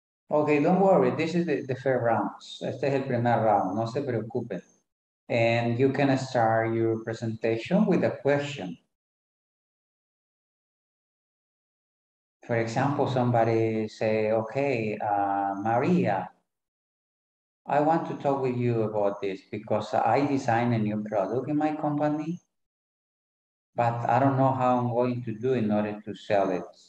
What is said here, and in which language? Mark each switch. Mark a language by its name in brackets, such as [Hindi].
[English] Okay, don't worry, this is the first round. [Spanish] Este es el primer round, no se preocupen. [English] And you can start your presentation with a question. For example, somebody say, okay, Maria, I want to talk with you about this because I designed a new product in my company, but I don't know how I'm going to do in order to sell it.